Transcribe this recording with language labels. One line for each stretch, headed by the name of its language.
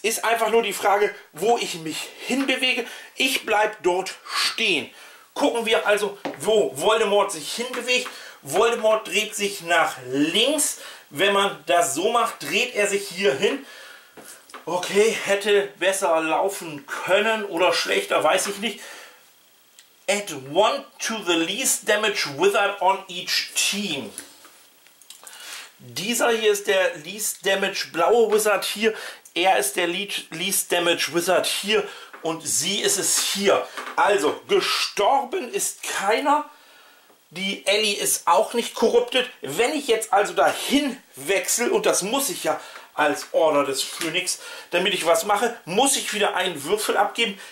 German: Ist einfach nur die Frage, wo ich mich hinbewege. Ich bleibe dort stehen. Gucken wir also, wo Voldemort sich hinbewegt. Voldemort dreht sich nach links. Wenn man das so macht, dreht er sich hier hin. Okay, hätte besser laufen können oder schlechter, weiß ich nicht.
English: Add one to the least damage wizard on each team.
German: Dieser hier ist der Least Damage blaue Wizard hier. Er ist der Least Damage Wizard hier. Und sie ist es hier. Also, gestorben ist keiner. Die Ellie ist auch nicht korruptiert. Wenn ich jetzt also dahin wechsle, und das muss ich ja als Order des Phönix, damit ich was mache, muss ich wieder einen Würfel abgeben.